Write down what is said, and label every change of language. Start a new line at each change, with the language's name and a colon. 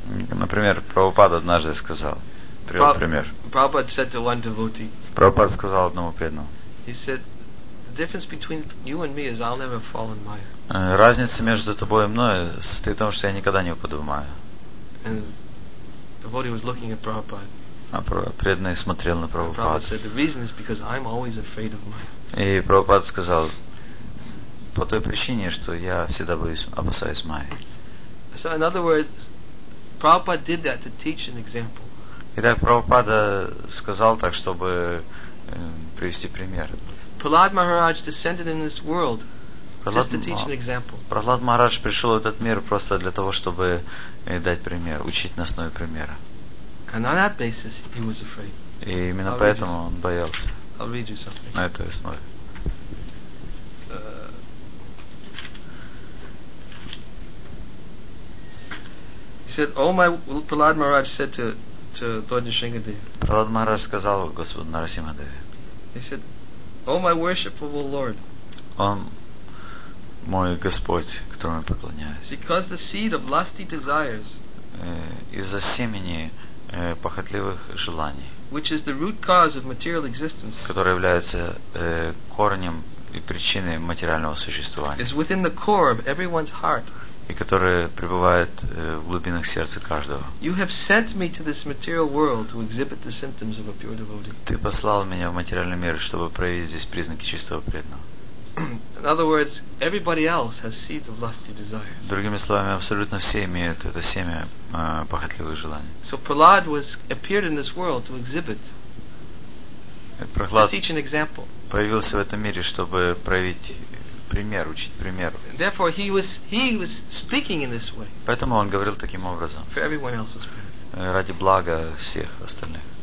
Russian: Например, Прабхупада однажды сказал, привел пример.
English: Prabhupada said to one devotee.
Russian: Прабхупада сказал одному преданному.
English: He said, the difference between you and me is I'll never fall in Maya.
Russian: Разница между тобой и мной состоит в том, что я никогда не упаду в Майю.
English: And the devotee was looking at Prabhupada.
Russian: А преданный смотрел на Прабхупаду.
English: Prabhupada said, the reason is because I'm always afraid of Maya.
Russian: И Прабхупада сказал, по той причине, что я всегда опасаюсь Майи.
English: So in other words, Prabhupada did that to teach an example.
Russian: Итак, Прабхупада сказал так, чтобы привести пример.
English: Prahlad Maharaj descended in this world just to teach an example.
Russian: Prahlad Maharaj пришел в этот мир просто для того, чтобы дать пример, учить на основе примера.
English: And on that basis, he was afraid.
Russian: И именно поэтому он боялся.
English: I'll read you something.
Russian: На этой основе.
English: Said, oh my, Prahlad Maharaj said to Lord Narasimhadev.
Russian: Prahlad Maharaj сказал Господу Нарасимхадеве.
English: He said, oh my worshipable Lord.
Russian: Он мой Господь, которому я поклоняюсь.
English: Because the seed of lusty desires.
Russian: Из-за семени похотливых желаний.
English: Which is the root cause of material existence.
Russian: Которая является корнем и причиной материального существования.
English: Is within the core of everyone's heart.
Russian: И которые пребывают в глубинах сердца каждого.
English: You have sent me to this material world to exhibit the symptoms of a pure devotee.
Russian: Ты послал меня в материальный мир, чтобы проявить здесь признаки чистого преданного.
English: In other words, everybody else has seeds of lusty desires.
Russian: Другими словами, абсолютно все имеют это семя похотливых желаний.
English: So Prahlad was appeared in this world to exhibit.
Russian: Прохлад
English: to teach an example.
Russian: Появился в этом мире, чтобы проявить пример, учить примеру.
English: Therefore he was speaking in this way.
Russian: Поэтому он говорил таким образом.
English: For everyone else's benefit.
Russian: Ради блага всех остальных.